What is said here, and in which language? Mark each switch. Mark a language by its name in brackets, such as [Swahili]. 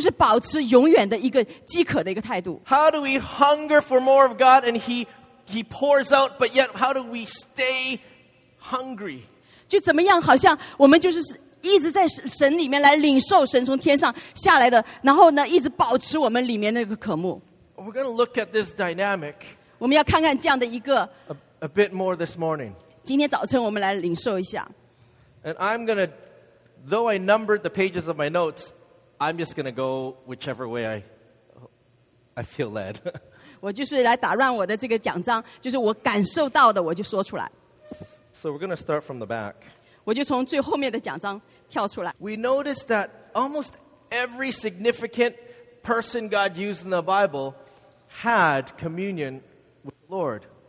[Chinese] 所以在我们这个基督徒的生命里面，有一个很大的挑战，就是怎么样来保持我们一直在神里面领受，但另外一方面就是保持永远的一个饥渴的一个态度。 [English] How do we hunger for more of God and he pours out, but yet how do we stay hungry? [Chinese] 就怎么样好像我们就是一直在神里面来领受神从天上下来的，然后呢一直保持我们里面那个渴慕。 [English] We're going to look at this dynamic. [Chinese] 我们要看看这样的一个 [English] A bit more this morning. [Chinese] 今天早晨我们来领受一下。 [English] And I'm going to, though I numbered the pages of my notes, I'm just going to go whichever way I feel led. [Chinese] 我就是来打乱我的这个讲章，就是我感受到的我就说出来。 [English] So we're going to start from the back. [Chinese] 我就从最后面的讲章跳出来。 [English] We noticed that almost every significant person God used in the Bible had communion with the Lord.